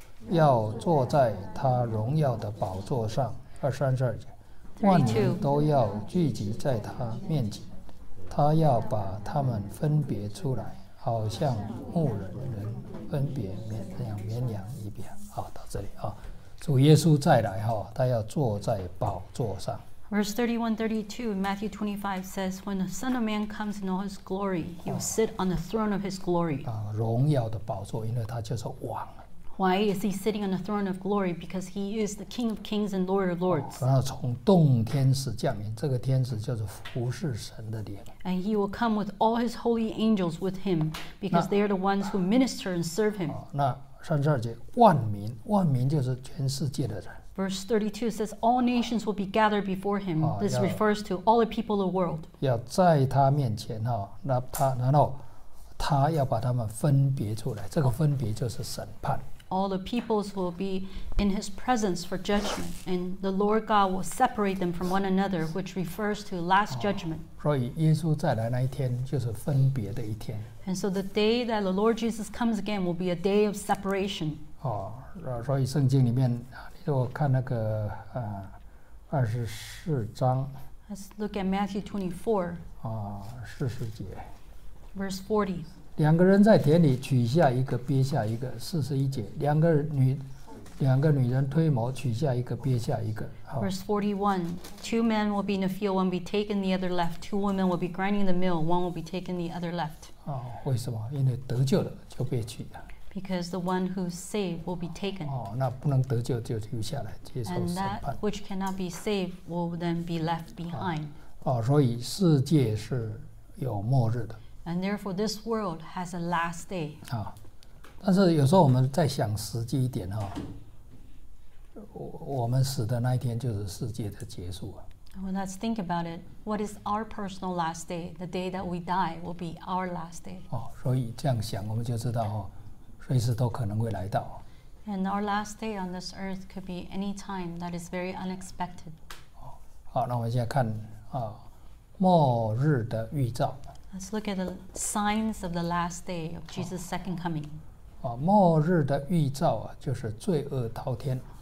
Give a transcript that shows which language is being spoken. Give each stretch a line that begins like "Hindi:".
Chinese: 要坐在他荣耀的宝座上，二三十二节，万民都要聚集在他面前，他要把他们分别出来，好像牧人人分别绵羊一边。好，到这里啊，主耶稣再来哈，他要坐在宝座上。
English: Verse 31-32, Matthew 25 says, When the Son of Man comes in all his glory, he will sit on the throne of his glory.
Chinese: 啊，荣耀的宝座，因为他就是王。
English: Why is he sitting on the throne of glory? Because he is the King of kings and Lord of lords.
Chinese: 然后从众天使降临，这个天使就是服侍神的灵。
English: And he will come with all his holy angels with him, because they are the ones who minister and serve him.
Chinese: 那三十二节，万民，万民就是全世界的人。
English: Verse 32 says, All nations will be gathered before him. This refers to all the people of the world.
Chinese: 要在他面前哈，那他然后他要把他们分别出来，这个分别就是审判。
English: All the peoples will be in his presence for judgment, and the Lord God will separate them from one another, which refers to last judgment.
Chinese: 所以耶稣再来那一天就是分别的一天。
English: And so the day that the Lord Jesus comes again will be a day of separation.
Chinese: 所以圣经里面，你如果看那个二十四章。
English: Let's look at Matthew 24.
Chinese: 四十节。
English: Verse 40.
Chinese: 两个人在田里取下一个憋下一个四十一节两个女人推磨取下一个憋下一个
English: Verse 41 Two men will be in the field, one be taken, the other left. Two women will be grinding the mill, one will be taken, the other left.
Chinese: 为什么因为得救了就被取了
English: Because the one who's saved will be taken.
Chinese: 那不能得救就留下来接受审判
English: And that which cannot be saved will then be left behind.
Chinese: 所以世界是有末日的
English: And therefore, this world has a last day.
Chinese: 但是有时候我们再想实际一点、我们死的那一天就是世界的结束、
English: Well, let's think about it. What is our personal last day? The day that we die will be our last day.
Chinese: 所以这样想我们就知道、随时都可能会来到。
English: And our last day on this earth could be any time that is very unexpected.
Chinese: 好那我们现在看、末日的预兆。
English: Let's look at the signs of the last day of Jesus' second coming.
Chinese: 末日的预兆、就是罪恶滔天。